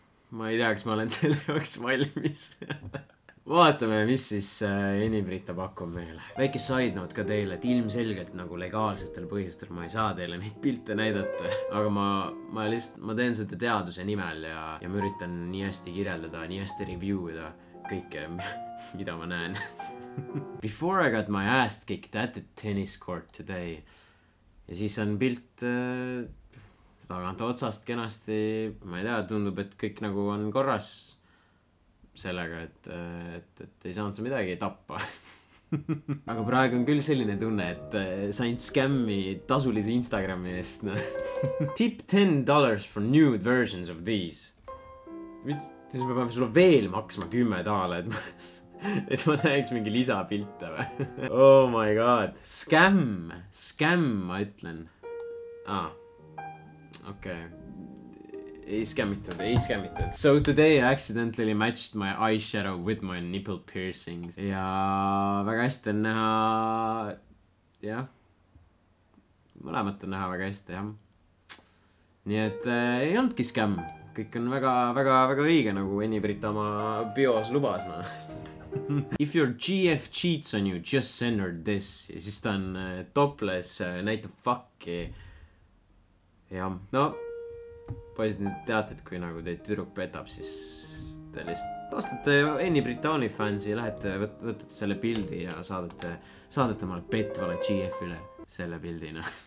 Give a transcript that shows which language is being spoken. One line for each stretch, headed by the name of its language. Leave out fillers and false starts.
Estonian: Ma ei tea, kas ma olen selle jaoks valmis. Vaatame, mis siis Enni Britta pakub meile. Väike side note ka teile, et ilmselgelt nagu legaalsetel põhjustel ma ei saa teile neid pilte näidata. Aga ma teen seda teaduse nimel ja ma üritan nii hästi kirjeldada, nii hästi reviewida kõike, mida ma näen.
English: Before I got my ass kicked at the tennis court today.
Estonian: Ja siis on pilt tagant otsast kenasti, ma ei tea, tundub, et kõik nagu on korras. Sellega, et ei saanud sa midagi tappa. Aga praegu on küll selline tunne, et sain skämmi tasulise Instagrami eest.
English: Tip $10 for new versions of these.
Estonian: Siis ma pean sulle veel maksma 10 taale, et ma näeks mingi lisapilte.
English: Oh my god.
Estonian: Skämm, ma ütlen. Okei. Ei skämmitud.
English: So today I accidentally matched my eyeshadow with my nipple piercings.
Estonian: Ja väga hästi on näha... Jah. Mõlemat on näha väga hästi, jah. Nii et ei olnudki skämm. Kõik on väga õige, nagu Enni Britta oma bios lubas.
English: If your GF cheats on you, just send her this.
Estonian: Ja siis ta on topless, näitab fucki. Jah. No, poisid nüüd teate, et kui nagu teid tüdruk petab, siis te lihtsalt ostate Enni Britanni fansi, lähete, võtate selle pildi ja saadate omale petvale GF-ile selle pildina.